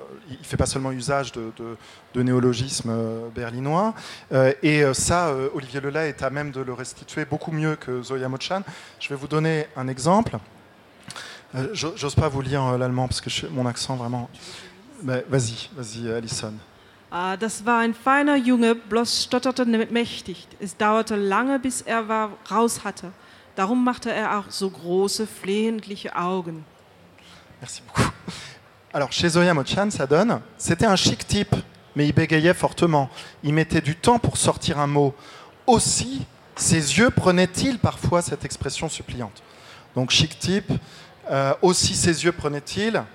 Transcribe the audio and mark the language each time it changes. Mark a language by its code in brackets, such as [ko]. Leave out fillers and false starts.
[fr] Il ne fait pas seulement usage de néologismes berlinois. Et ça, Olivier Lelay est à même de le restituer beaucoup mieux que Zoya Mochan. Je vais vous donner un exemple. J'ose pas vous lire l'allemand parce que mon accent vraiment. Mais vas-y, Alison. [de] Ah, das war ein feiner Junge, bloß stotterte mächtig. Es dauerte lange, bis war raus hatte. Darum machte auch so große, flehentliche Augen. [fr] Merci beaucoup. Alors, chez Zoya Mochan, ça donne. C'était un chic type, mais il bégayait fortement. Il mettait du temps pour sortir un mot. Aussi, ses yeux prenaient-ils parfois cette expression suppliante. Donc, chic type, aussi ses yeux prenaient-ils.